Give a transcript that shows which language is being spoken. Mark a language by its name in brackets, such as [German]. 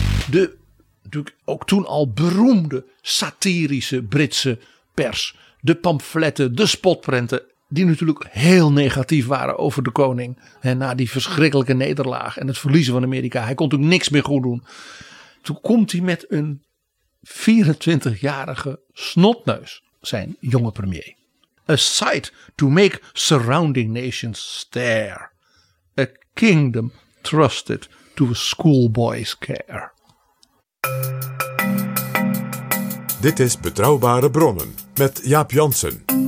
[Dutch] De natuurlijk ook toen al beroemde satirische Britse pers, de pamfletten, de spotprenten, die natuurlijk heel negatief waren over de koning. En na die verschrikkelijke nederlaag en het verliezen van Amerika, hij kon natuurlijk niks meer goed doen. Toen komt hij met een 24-jarige snotneus, zijn jonge premier. [English] A sight to make surrounding nations stare. A kingdom trusted to a schoolboy's care. [Dutch] Dit is Betrouwbare Bronnen met Jaap Janssen.